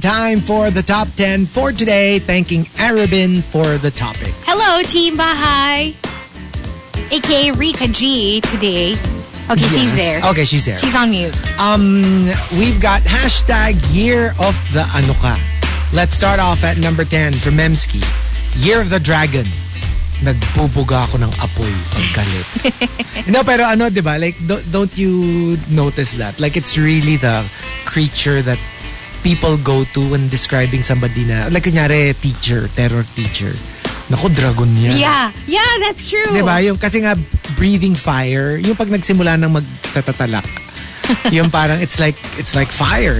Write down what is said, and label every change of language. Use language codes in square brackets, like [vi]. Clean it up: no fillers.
[en] Time for the top 10 for today. Thanking Arabin for the topic. Hello, Team Bahai. AKA Rica G today. Okay, yes. She's there. Okay, she's there. She's on mute. We've got hashtag Year of the Anuka. Let's start off at number 10 from Memski. Year of the Dragon. [tl] Nagbubuga ako ng apoy pagkalit. [en] No, [tl] pero ano, diba? [en] Like, don't you notice that? Like, it's really the creature that people go to when describing somebody na, like, [tl] kunyari, [en] teacher, terror teacher. [tl] Naku, dragon niya. [en] Yeah, that's true. [tl] Diba? Yung, kasi nga, [en] breathing fire, [tl] yung pag nagsimula ng magtatatalak, yung parang, [en] it's like fire.